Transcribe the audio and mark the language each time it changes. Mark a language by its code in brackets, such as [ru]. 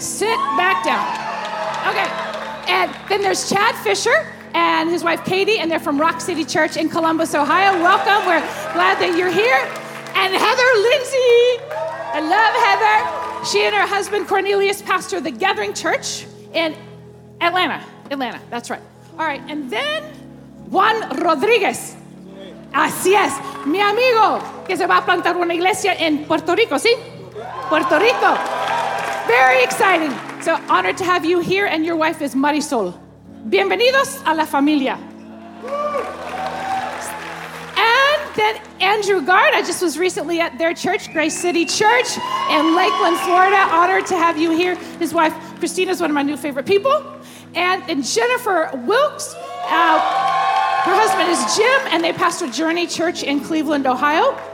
[en] Sit back down. Okay, and then there's Chad Fisher and his wife Katie, and they're from Rock City Church in Columbus, Ohio. Welcome, we're glad that you're here. And Heather Lindsay, I love Heather. She and her husband Cornelius pastor the Gathering Church in Atlanta, that's right. All right, and then Juan Rodriguez. [es] Así es, mi amigo, que se va a plantar una iglesia en Puerto Rico, ¿sí? [en] Puerto Rico. Very exciting. So honored to have you here, and your wife is Marisol. [es] Bienvenidos a la familia. [en] And then Andrew Gard, I just was recently at their church, Grace City Church in Lakeland, Florida. Honored to have you here. His wife, Christina, is one of my new favorite people. And Jennifer Wilkes, her husband is Jim, and they pastor Journey Church in Cleveland, Ohio.